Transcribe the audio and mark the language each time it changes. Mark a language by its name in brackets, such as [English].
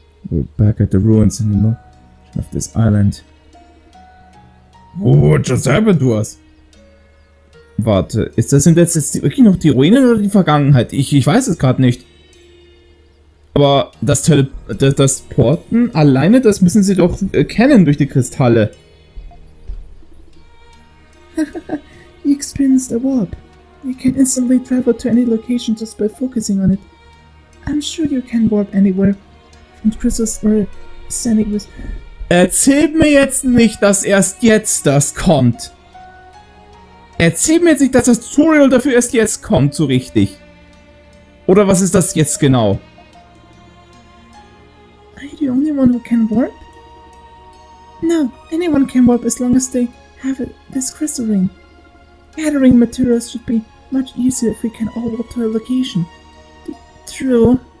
[English] We're back at the ruins in the middle of this island. What just happened to us? [German] Warte, ist das denn jetzt wirklich noch die Ruinen oder die Vergangenheit? Ich weiß es gerade nicht. Aber das Porten alleine, das müssen sie doch kennen durch die Kristalle. [English] You experienced a warp. You can instantly travel to any location just by focusing on it. I'm sure you can warp anywhere. Und Christus or standing with. [German] Erzählt mir jetzt nicht, dass erst jetzt das kommt. Erzählt mir jetzt nicht, dass das Tutorial dafür erst jetzt kommt, so richtig. Oder was ist das jetzt genau? [English] Are you the only one who can warp? No, anyone can warp as long as they have this crystal ring. Gathering materials should be much easier if we can all warp to a location. True.